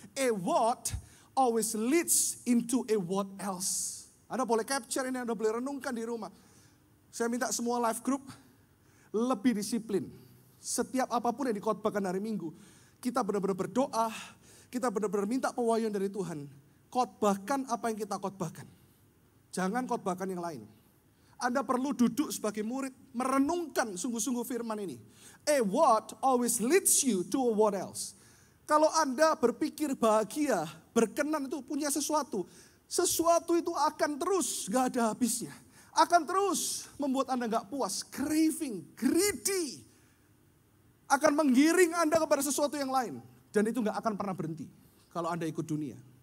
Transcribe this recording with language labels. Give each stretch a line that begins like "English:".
English: A what always leads into a what else.
Indonesian: Anda boleh capture ini, Anda boleh renungkan di rumah. Saya minta semua life group lebih disiplin. Setiap apapun yang dikhotbahkan hari Minggu, kita benar-benar berdoa, kita benar-benar minta pewahyuan dari Tuhan. Khotbahkan apa yang kita khotbahkan. Jangan khotbahkan yang lain. Anda perlu duduk sebagai murid, merenungkan sungguh-sungguh firman ini.
English: A what always leads you to a what else.
Indonesian: Kalau Anda berpikir bahagia, berkenan itu punya sesuatu. Sesuatu itu akan terus, gak ada habisnya. Akan terus membuat Anda gak puas, craving, greedy. Akan menggiring Anda kepada sesuatu yang lain. Dan itu gak akan pernah berhenti kalau Anda ikut dunia.